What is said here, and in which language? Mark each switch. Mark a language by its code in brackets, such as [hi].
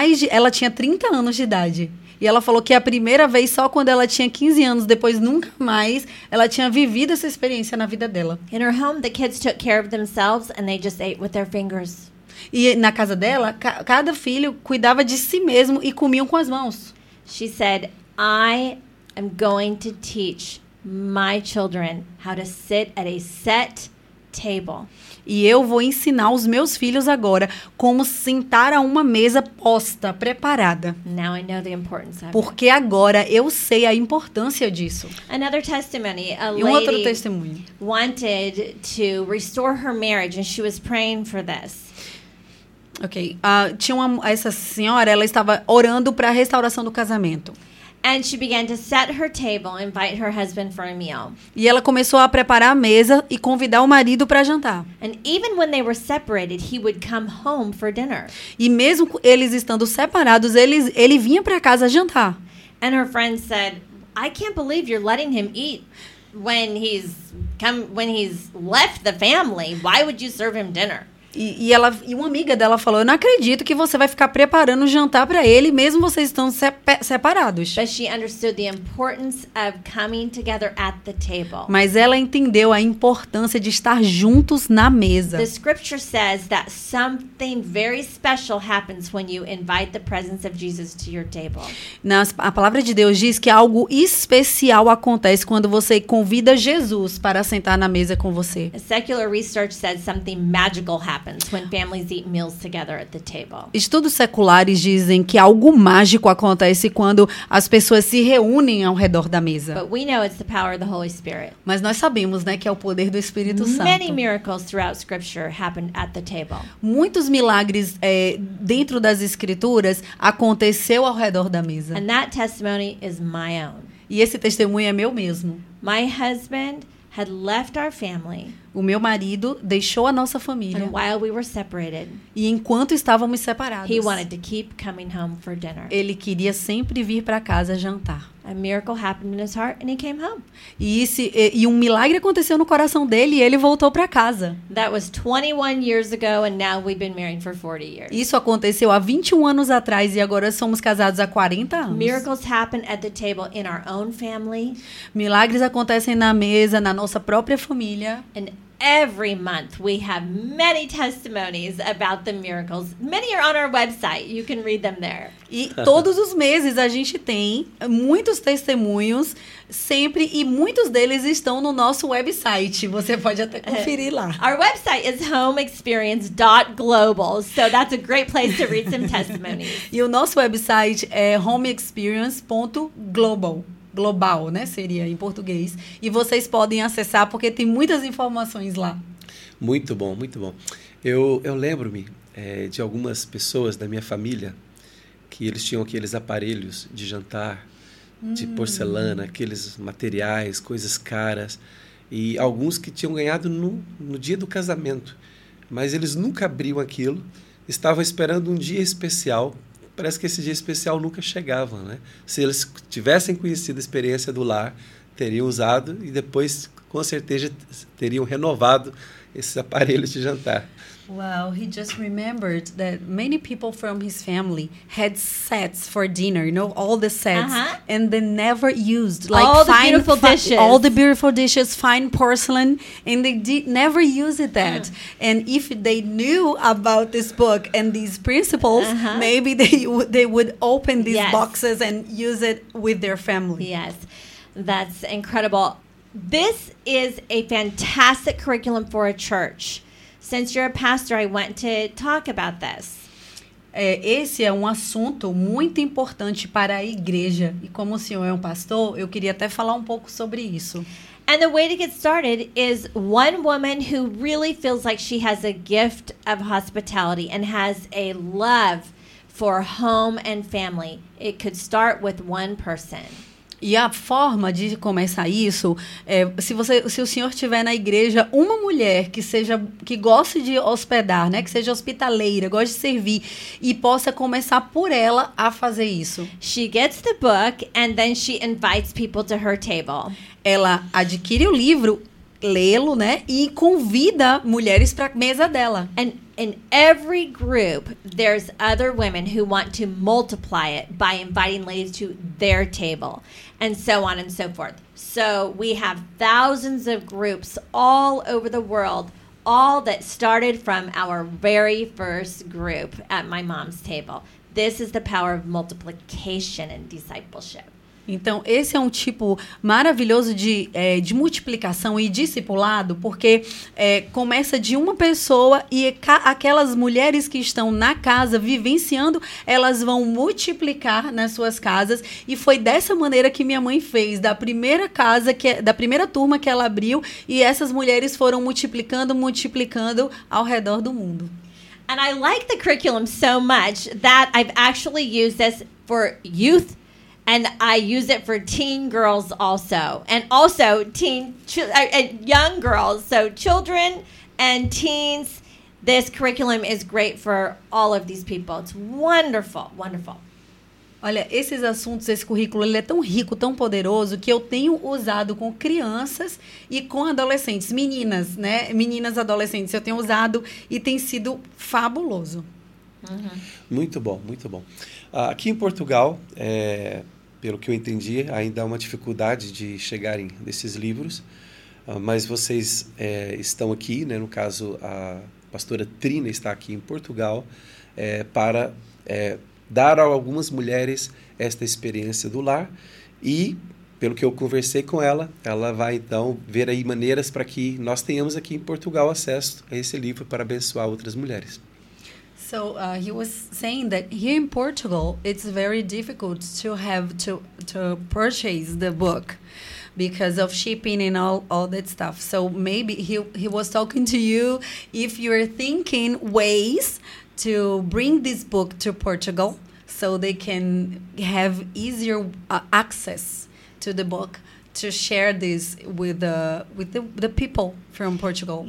[pt] Ela tinha 30 anos de idade. E ela falou que a primeira vez, só quando ela tinha 15 anos, depois nunca mais, ela tinha vivido essa experiência na vida dela. [en] In her home, the kids took care of themselves and they just ate with their fingers. [pt] E na casa dela, cada filho cuidava de si mesmo e comiam com as mãos. [en] She said, "I am going to teach my children how to sit at a set table." [pt] E eu vou ensinar os meus filhos agora como sentar a uma mesa posta, preparada. [en] Now I know the importance of it. [pt] Porque agora eu sei a importância disso. [en] Another testimony, a [pt] e um outro testemunho. [en] Wanted to restore her marriage and she was praying for this. [pt] Ok, essa senhora, ela estava orando para a restauração do casamento. [en] And she began to set her table, invite her husband for a meal. [pt] E ela começou a preparar a mesa e convidar o marido para jantar. [en] And even when they were separated, he would come home for dinner. [pt] E mesmo eles estando separados, ele vinha para casa jantar. [en] And her friend said, "I can't believe you're letting him eat when he's come when he's left the family. Why would you serve him dinner?" [pt] E uma amiga dela falou, eu não acredito que você vai ficar preparando o jantar para ele, mesmo vocês estão separados. [en] But she understood the importance of coming together at the table. [pt] Mas ela entendeu a importância de estar juntos na mesa. [en] The scripture says that something very special happens when you invite the presence of Jesus to your table. [pt] A palavra de Deus diz que algo especial acontece quando você convida Jesus para sentar na mesa com você. [en] A secular research says something magical happens. happens when families eat meals together at the table. [pt] Estudos seculares dizem que algo mágico acontece quando as pessoas se reúnem ao redor da mesa. [en] But we know it's the power of the Holy Spirit. [pt] Mas nós sabemos, né, que é o poder do Espírito Santo. [en] Many miracles throughout Scripture happened at the table. [pt] Muitos milagres dentro das Escrituras aconteceu ao redor da mesa. [en] And that testimony is my own. [pt] E esse testemunho é meu mesmo. [en] My husband had left our family. [pt] O meu marido deixou a nossa família. [en] And while we were separated, [pt] e enquanto estávamos separados, [en] he wanted to keep coming home for dinner. [pt] Ele queria sempre vir para casa jantar. [en] A miracle happened in his heart and he came home. [pt] E um milagre aconteceu no coração dele e ele voltou para casa. [en] That was 21 years ago and now we've been married for 40 years. [pt] Isso aconteceu há 21 anos atrás e agora somos casados há 40 anos. [en] Miracles happen at the table in our own family. [pt] Milagres acontecem na mesa, na nossa própria família. [en] And every month we have many testimonies about the miracles. Many are on our website. You can read them there. [pt] E todos os meses a gente tem muitos testemunhos sempre e muitos deles estão no nosso website. Você pode até conferir lá. Our website is homeexperience.global, so that's a great place to read some testimonies. E o nosso website é homeexperience.global. Global, né? Seria em português. E vocês podem acessar porque tem muitas informações lá. Muito bom, muito bom. Eu lembro-me de algumas pessoas da minha família que eles tinham aqueles aparelhos de jantar, de porcelana, aqueles materiais, coisas caras. E alguns que tinham ganhado no dia do casamento. Mas eles nunca abriam aquilo. Estavam esperando um dia especial. Parece que esse dia especial nunca chegava, né? Se eles tivessem conhecido a experiência do lar, teriam usado e depois, com certeza, teriam renovado esses aparelhos de jantar. [en] Well, he just remembered that many people from his family had sets for dinner, you know, all the sets, and they never used, like, all fine, the beautiful dishes. All the beautiful dishes, fine porcelain, and they never used that. And if they knew about this book and these principles, maybe they would open these boxes and use it with their family. Yes, that's incredible. This is a fantastic curriculum for a church. Since you're a pastor, I want to talk about this. [pt] Esse é um assunto muito importante para a igreja. E como o senhor é um pastor, eu queria até falar um pouco sobre isso. [en] And the way to get started is one woman who really feels like she has a gift of hospitality and has a love for home and family. It could start with one person. [pt] E a forma de começar isso é se o senhor tiver na igreja uma mulher que goste de hospedar, né, que seja hospitaleira, goste de servir e possa começar por ela a fazer isso. [en] She gets the book and then she invites people to her table. [pt] Ela adquire o livro, lê-lo, né, e convida mulheres para a mesa dela. [en] And in every group, there's other women who want to multiply it by inviting ladies to their table, and so on and so forth. So we have thousands of groups all over the world, all that started from our very first group at my mom's table. This is the power of multiplication and discipleship. [pt] Então, esse é um tipo maravilhoso de multiplicação e discipulado, porque começa de uma pessoa e aquelas mulheres que estão na casa vivenciando, elas vão multiplicar nas suas casas. E foi dessa maneira que minha mãe fez, da primeira casa, da primeira turma que ela abriu, e essas mulheres foram multiplicando ao redor do mundo. [en] And I like the curriculum so much that I've actually used this for youth. And I use it for teen girls also. And also young girls. So children and teens. This curriculum is great for all of these people. It's wonderful, wonderful. [pt] Olha, esses assuntos, esse currículo, ele é tão rico, tão poderoso, que eu tenho usado com crianças e com adolescentes. Meninas, né? Meninas, adolescentes. Eu tenho usado e tem sido fabuloso. Uhum. Muito bom, muito bom. Aqui em Portugal, pelo que eu entendi, ainda há uma dificuldade de chegarem nesses livros, mas vocês estão aqui, né? No caso, a pastora Trina está aqui em Portugal para dar a algumas mulheres esta experiência do lar e pelo que eu conversei com ela, ela vai então ver aí maneiras para que nós tenhamos aqui em Portugal acesso a esse livro para abençoar outras mulheres. [en] So he was saying that here in Portugal it's very difficult to have to purchase the book because of shipping and all that stuff. So maybe he was talking to you if you're thinking ways to bring this book to Portugal so they can have easier access to the book to share this with the people from Portugal.